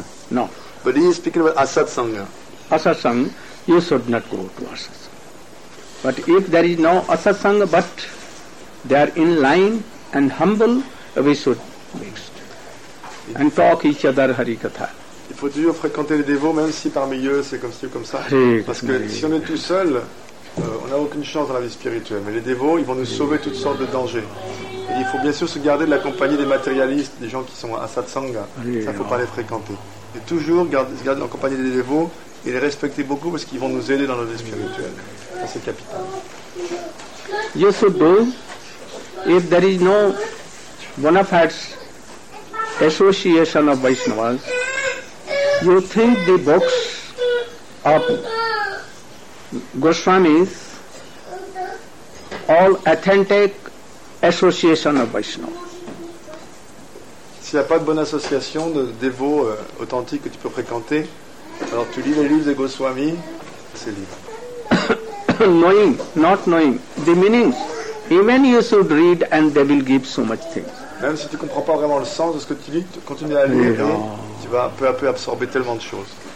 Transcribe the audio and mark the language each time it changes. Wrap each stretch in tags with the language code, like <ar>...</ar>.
<en>No. But he is speaking about Asad Sangha. Asad Sangha, you should not go to Asad Sangha. But if there is no Asad Sangha, but they are in line and humble, we should mix and talk each other Harikatha.</en> <fr>Il faut toujours fréquenter les dévots, même si parmi eux c'est comme ça. Parce que si on est tout seul, on n'a aucune chance dans la vie spirituelle. Mais les dévots, ils vont nous sauver toutes sortes de dangers. Et il faut bien sûr se garder de la compagnie des matérialistes, des gens qui sont à satsanga. Ça ne faut pas les fréquenter. Et toujours se garder en compagnie des dévots et les respecter beaucoup parce qu'ils vont nous aider dans la vie spirituelle. Ça, c'est capital.</fr> <en>You should do, if there is no bona fide association of Vaishnavas, you think the books of Goswamis all authentic association of Vaishnava.</en> <fr>S'il n'y a pas de bonne association de dévots authentiques que tu peux fréquenter, alors tu lis les livres des Goswamis, ces livres.</fr> <en>Knowing, not knowing the meanings. Even you should read and they will give so much things.</en> <fr>Même si tu ne comprends pas vraiment le sens de ce que tu lis, continue à lire et tu vas peu à peu absorber tellement de choses.</fr>